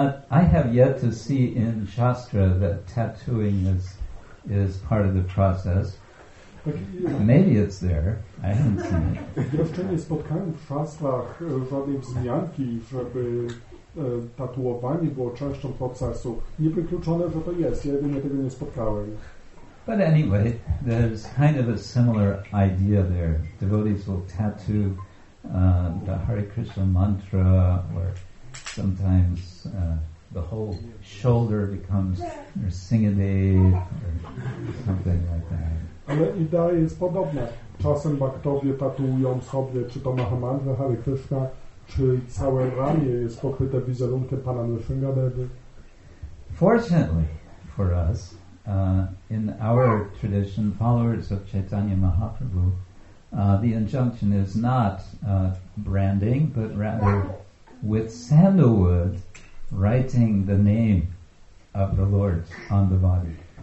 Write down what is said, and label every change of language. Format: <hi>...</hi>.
<en>I have yet to see in Shastra that tattooing is part of the process. Maybe it's there. I haven't seen it.</en> <pl>Jeszcze nie spotkałem w Shastrach żadnej wzmianki, żeby tatuowanie było częścią procesu. Nie wykluczone, że to jest. Ja jedynie tego nie spotkałem.</pl> <en>But anyway, there's kind of a similar idea there. Devotees will tattoo the Hare Krishna mantra or sometimes the whole shoulder becomes or Singhadev or something like that.</en> <pl>Ale idea jest podobna. Czasem baktowie tatuują sobie czy to Mahamandra Hare Krishna, czy całe ramię jest pokryte wizerunkiem Pana Nrsingadevy.</pl> <en>Fortunately for us, in our tradition, followers of Chaitanya Mahaprabhu, the injunction is not branding, but rather with sandalwood, writing the name of the Lord on the body.</en>